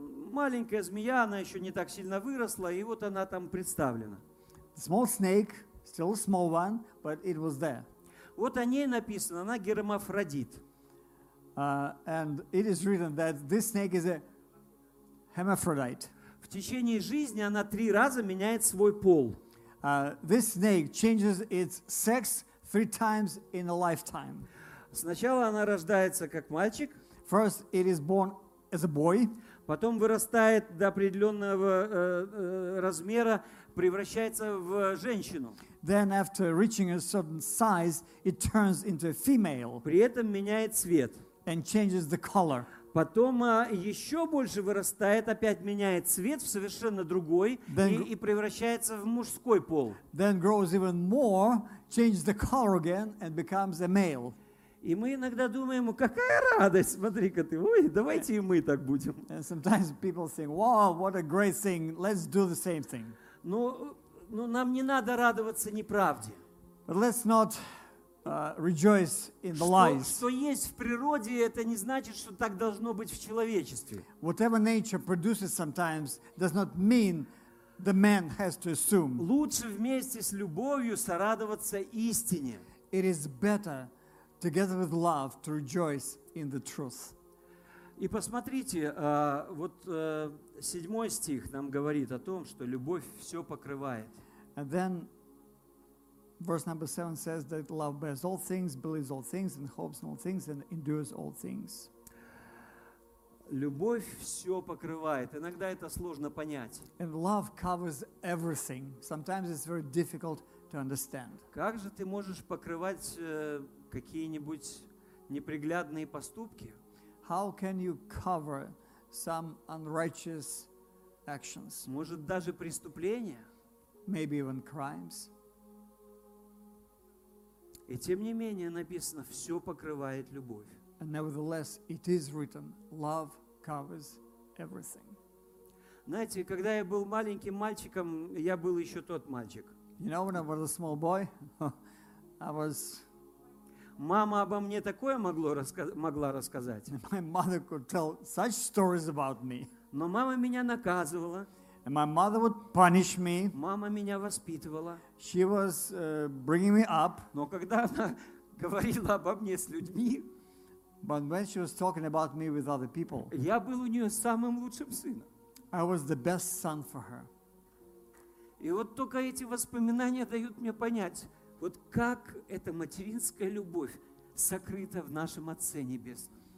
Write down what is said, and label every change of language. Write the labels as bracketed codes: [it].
[ru] Маленькая змея, она еще не так сильно выросла, и вот она там представлена. [en] Small snake, still a small one, but it was there. [ru] Вот о ней написано, она гермафродит. [en] And it is written that this snake is a hermaphrodite. [ru] В течение жизни она три раза меняет свой пол. [en] This snake changes its sex three times in a lifetime. [ru] Сначала она рождается как мальчик. [en] First it is born as a boy. [ru] Потом вырастает до определенного размера, превращается в женщину. [en] Then after reaching a certain size, it turns into a female. [ru] При этом меняет цвет. [en] And changes the color. [ru] Потом еще больше вырастает, опять меняет цвет в совершенно другой и превращается в мужской пол. [en] Then grows even more, changes the color again and becomes a male. [ru] И мы иногда думаем, какая радость, смотри-ка ты, ой, давайте и мы так будем. [en] And sometimes people think, wow, what a great thing, let's do the same thing. [ru] Но нам не надо радоваться неправде. [en] But let's not rejoice in the lies. [ru] Что есть в природе, это не значит, что так должно быть в человечестве. [en] Whatever nature produces sometimes does not mean the man has to assume. [ru] Лучше вместе с любовью сорадоваться истине. [en] It is better together with love to rejoice in the truth. [ru] И посмотрите, вот седьмой стих нам говорит о том, что любовь все покрывает. [en] And then verse number 7 says that love bears all things, believes all things, and hopes all things, and endures all things. [ru] Любовь все покрывает. Иногда это сложно понять. [en] And love covers everything. Sometimes it's very difficult to understand. [ru] Как же ты можешь покрывать какие-нибудь неприглядные поступки? [en] How can you cover some unrighteous actions? [ru] Может, даже преступления? [en] Maybe even crimes. [ru] И тем не менее написано, все покрывает любовь. [en] And nevertheless, it is written, love covers everything. [ru] Знаете, когда я был маленьким мальчиком, я был еще тот мальчик. [en] You know, when I was a small boy, I was... [ru] Мама обо мне такое могла рассказать. [en] My mother could tell such stories about me. [ru] Но мама меня наказывала. [en] And my mother would punish me. [ru] Мама меня воспитывала. [en] She was bringing me up. [ru] Но когда она говорила обо мне с людьми, [en] but when she was talking about me with other people, [ru] я был у нее самым лучшим сыном. [en] I was the best son for her. [ru] И вот только эти воспоминания дают мне понять, вот как эта материнская любовь сокрыта в нашем Отце Небесном.